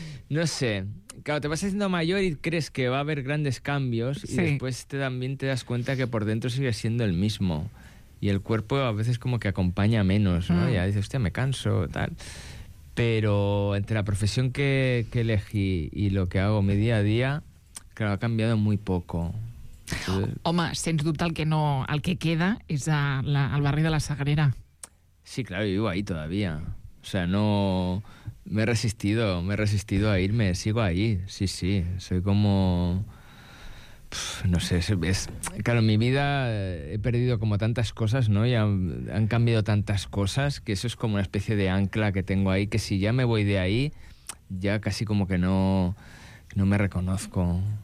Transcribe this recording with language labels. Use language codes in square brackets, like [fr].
[es] No sé, claro, te vas haciendo mayor y crees que va a haber grandes cambios, sí, y después también te das cuenta que por dentro sigue siendo el mismo. Y el cuerpo a veces como que acompaña menos, ¿no? Ya dices, hostia, me canso, tal... Pero entre la profesión que elegí y lo que hago mi día a día, claro, ha cambiado muy poco. [ca] Home, sens dubte el que queda és al barri de la Sagrera. [es] Sí, claro, vivo ahí todavía. O sea, no... Me he resistido a irme. Sigo ahí, sí, sí. Soy como... No sé, es... Claro, en mi vida he perdido como tantas cosas, ¿no? Y han cambiado tantas cosas que eso es como una especie de ancla que tengo ahí, que si ya me voy de ahí, ya casi como que no me reconozco.